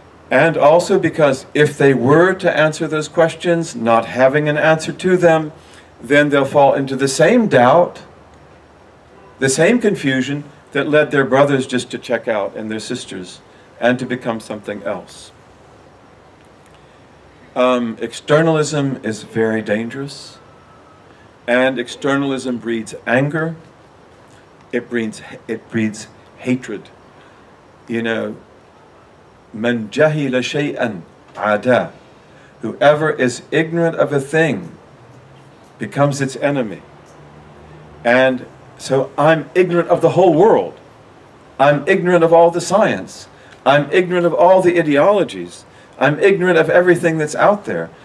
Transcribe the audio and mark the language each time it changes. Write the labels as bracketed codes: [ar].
[en] And also because if they were to answer those questions, not having an answer to them, then they'll fall into the same doubt, the same confusion that led their brothers just to check out and their sisters and to become something else. Externalism is very dangerous, and externalism breeds anger. It breeds hatred. [ar] You know, من جهل شيئا عدا. [en] Whoever is ignorant of a thing becomes its enemy. And so I'm ignorant of the whole world. I'm ignorant of all the science. I'm ignorant of all the ideologies. I'm ignorant of everything that's out there.